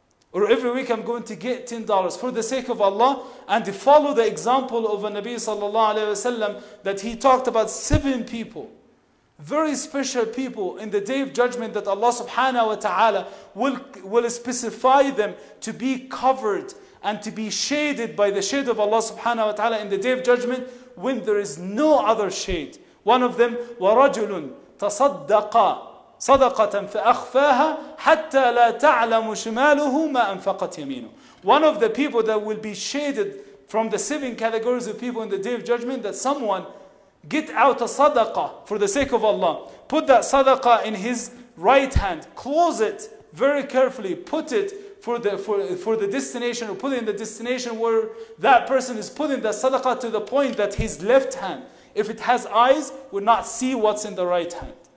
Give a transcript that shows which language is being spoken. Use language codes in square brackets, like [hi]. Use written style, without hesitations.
[en] Or every week I'm going to get $10 for the sake of Allah, and to follow the example of a Nabi sallallahu alayhi wa sallam, that he talked about 7 people, very special people in the day of judgment, that Allah subhanahu wa ta'ala will specify them to be covered and to be shaded by the shade of Allah subhanahu wa ta'ala in the day of judgment when there is no other shade. [ar] One of them, وَرَجُلٌ تَصَدَّقَ صَدَقَةً فَأَخْفَاهَا حَتَّى لَا تَعْلَمُ شِمَالُهُ مَا أَنْفَقَتْ يَمِينُ. [en] One of the people that will be shaded from the 7 categories of people in the day of judgment, that someone get out a sadaqah for the sake of Allah, put that sadaqah in his right hand, close it very carefully, put it for the destination, or put it in the destination where that person is putting the sadaqah, to the point that his left hand, if it has eyes, will not see what's in the right hand.